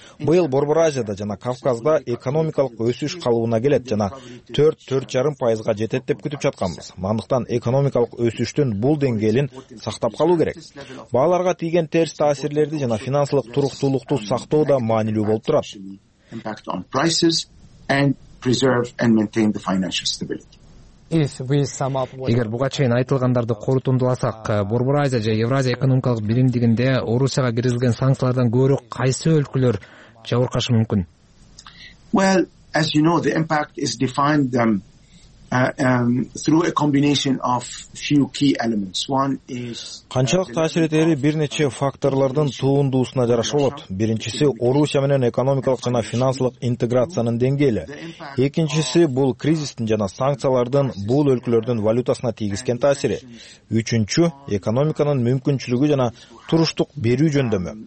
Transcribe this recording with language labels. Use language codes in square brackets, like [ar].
[ky] Быйыл Борбор Азияда жана Кавказда экономикалык өсүш калыбына келет жана 4-4.5% жетет деп күтүп жатканбыз. Андыктан экономикалык өсүштүн бул деңгээлин сактап калуу керек. Бааларга тийген терс таасирлерди жана финансылык туруктуулукту сактоо да маанилүү болуп турат. [en] Impact on prices and preserve and maintain the financial stability. [ky] Эгер буга чейин айтылгандарды корутундуласак, Борбор Азия же Евразия экономикалык биримдигинде Орусияга киргизилген санкциялардан көрө кайсы өлкөлөр жабыркашы мүмкүн? [en] Well, as you know, the impact is defined through a combination of few key elements. One is [ky] канчалык таасир этери бир нече факторлордун туундуусуна жараша болот. Биринчиси Орусия менен экономикалык жана финансылык интеграциянын деңгээли. Экинчиси бул кризистин жана санкциялардын бул өлкөлөрдүн валютасына тийгизген таасири. Үчүнчү экономиканын мүмкүнчүлүгү жана туруштук берүү жөндөмү.